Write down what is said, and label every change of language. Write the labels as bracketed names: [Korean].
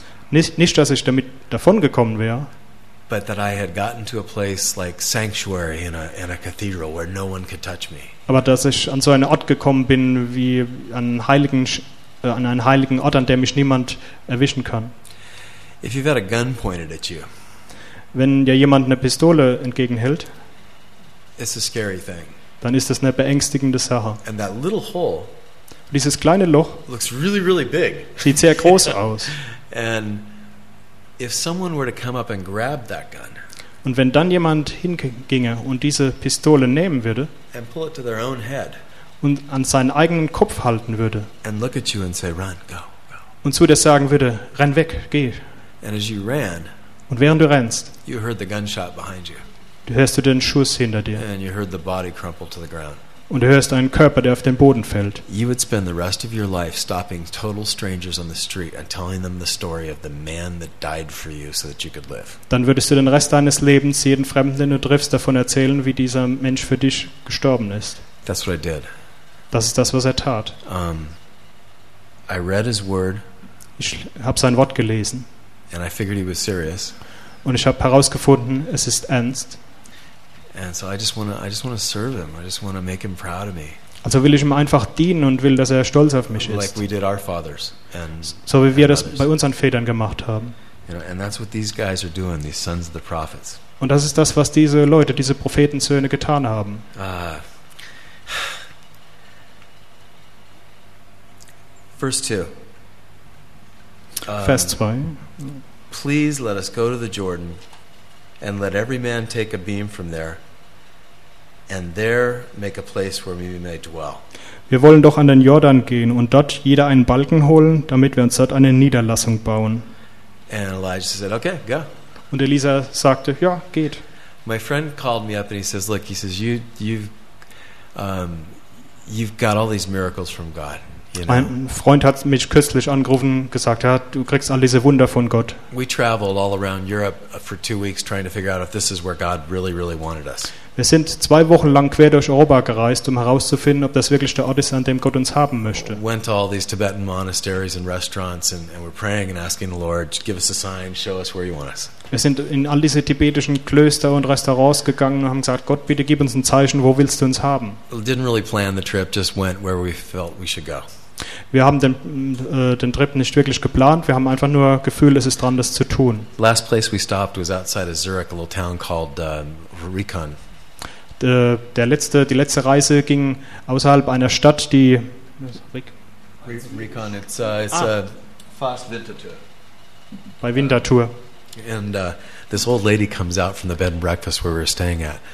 [German] Nicht, dass ich damit davongekommen wäre. [English] But that I had gotten to a place like sanctuary in a cathedral where no one could touch me. [German] Aber dass ich an so einen Ort gekommen bin wie an einen heiligen Ort, an dem mich niemand erwischen kann. [English] If you've had a gun pointed at you, [German] wenn dir jemand eine Pistole entgegenhält, [English] it's a scary thing. [German] Dann ist das eine beängstigende Sache. [English] And that little hole, [German] dieses kleine Loch, [English] looks really really big. [German] Sieht sehr groß aus. [English] And if someone were to come up and grab that gun, [German] und wenn dann jemand hinginge und diese Pistole nehmen würde, [English] and pull it to their own head, [German] und an seinen eigenen Kopf halten würde, [English] and look at you and say, "Run, go, go," [German] und zu dir sagen würde, renn weg, geh, [English] and as you ran, [German] und während du rennst, [English] you heard the gunshot behind you, [German] du hörst den Schuss hinter dir, [English] and you heard the body crumple to the ground, [German] und du hörst einen Körper, der auf den Boden fällt. [English] You would spend the rest of your life stopping total strangers on the street and telling them the story of the man that died for you so that you could live. [German] Dann würdest du den Rest deines Lebens jeden Fremden, den du triffst, davon erzählen, wie dieser Mensch für dich gestorben ist. [English] That's what I did. [German] Das ist das, was er tat. [English] I read his word. [German] Ich habe sein Wort gelesen. [English] And I figured he was serious. [German] Und ich habe herausgefunden, es ist ernst. [English] And so I just want to serve him. I just want to make him proud of me. [German] Also will ich ihm einfach dienen und will, dass er stolz auf mich ist. [English] Like we did our fathers and [German] so wie wir das bei unseren Vätern gemacht haben. [English] You know, and that's what these guys are doing, these sons of the prophets. [German] Und das ist das, was diese Leute, diese Prophetensöhne getan haben. Vers 2. [English] Please let us go to the Jordan. And let every man take a beam from there, and there make a place where we may dwell. [German] Wir wollen doch an den Jordan gehen und dort jeder einen Balken holen, damit wir uns dort eine Niederlassung bauen. [English] And Elijah said, "Okay, go." [German] Und Elisa sagte, ja, geht. [English] My friend called me up and he says, look, he says, you've got all these miracles from God. You know? [German] Mein Freund hat mich kürzlich angerufen, gesagt, ja, du kriegst all diese Wunder von Gott. [English] We traveled all around Europe for 2 weeks trying to figure out if this is where God really, really wanted us. [German] Wir sind 2 Wochen lang quer durch Europa gereist, um herauszufinden, ob das wirklich der Ort ist, an dem Gott uns haben möchte. [English] We went to all these Tibetan monasteries and restaurants and we're praying and asking the Lord, give us a sign, show us where you want us. [German] Wir sind in all diese tibetischen Klöster und Restaurants gegangen und haben gesagt, Gott, bitte gib uns ein Zeichen, wo willst du uns haben? [English] We didn't really plan the trip, just went where we felt we should go. [German] Wir haben den Trip nicht wirklich geplant, wir haben einfach nur Gefühl, es ist dran, das zu tun. [English] Last place we stopped was outside of Zurich, a little town called Recon. [German] Die letzte Reise ging außerhalb einer Stadt, die Recon, it's fast Winterthur. Bei Winterthur. [English] And this old lady comes out from the bed and breakfast where we were staying at.